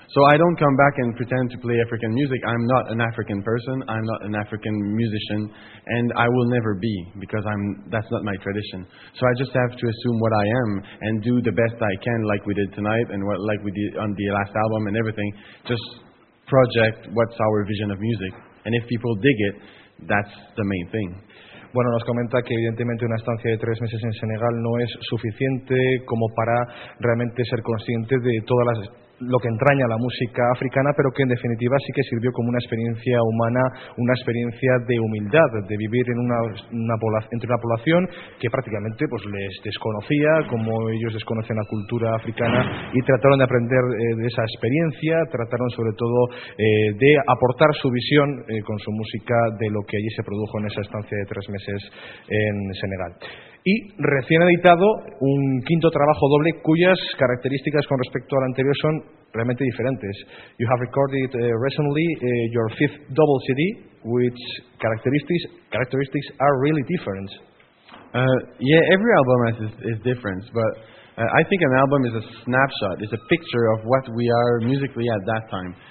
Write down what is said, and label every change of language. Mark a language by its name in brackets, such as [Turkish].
[English] So I don't come back and pretend to play African music. I'm not an African person, I'm not an African musician, and I will never be, because that's not my tradition. So I just have to assume what I am and do the best I can, like we did tonight and like we did on the last album and everything. Just project what's our vision of music, and if people dig it, that's the main thing. [Spanish] Bueno, nos comenta que evidentemente una estancia de 3 meses en Senegal no es suficiente como para realmente ser consciente de todas las lo que entraña la música africana, pero que en definitiva sí que sirvió como una experiencia humana, una experiencia de humildad, de vivir en entre una población que prácticamente pues les desconocía, como ellos desconocen la cultura africana, y trataron de aprender de esa experiencia, trataron sobre todo de aportar su visión con su música de lo que allí se produjo en esa estancia de 3 meses en Senegal. Y recién editado un quinto trabajo doble cuyas características con respecto al anterior son realmente diferentes. [English] You have recorded recently your fifth double CD, which characteristics are really different. Yeah, every album is different, but I think an album is a snapshot, it's a picture of what we are musically at that time.